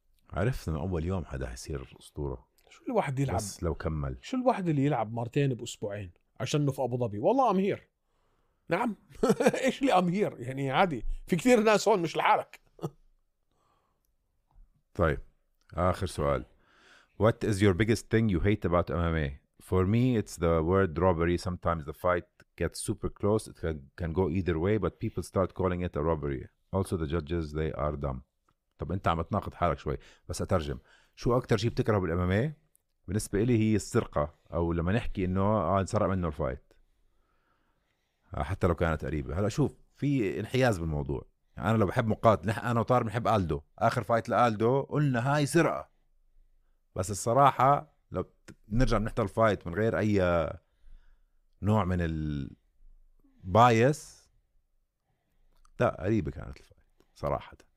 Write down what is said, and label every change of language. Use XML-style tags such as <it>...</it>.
<ar>عرفت من اول يوم حدا حيصير اسطوره. شو الواحد يلعب بس لو كمل، شو الواحد اللي يلعب مرتين باسبوعين عشان في ابو ظبي؟ والله</ar> <en>I'm here.</en> <ar>نعم. ايش اللي</ar> <en>I'm here</en> <ar>يعني؟ عادي، في كثير ناس هون مش لحالك. طيب اخر سؤال،</ar> <en>what is your biggest thing you hate about MMA? For me it's the word robbery. Sometimes the fight gets super close, it can go either way, but people start calling it a robbery. Also the judges, they are dumb.</en> <ar>طب انت عم تناقض حالك شوي، بس اترجم، شو اكتر شيء بتكره بالMMA؟ بالنسبة لي هي السرقة، او لما نحكي انه انسرق منه الفايت حتى لو كانت قريبة. هلا شوف، في انحياز بالموضوع. انا لو بحب مقاتل، انا وطار بنحب آلدو، اخر فايت لآلدو قلنا هاي سرقة، بس الصراحة لو نرجع بنحضر الفايت من غير اي نوع من البايس، لا قريبة كانت الفايت صراحة.</ar>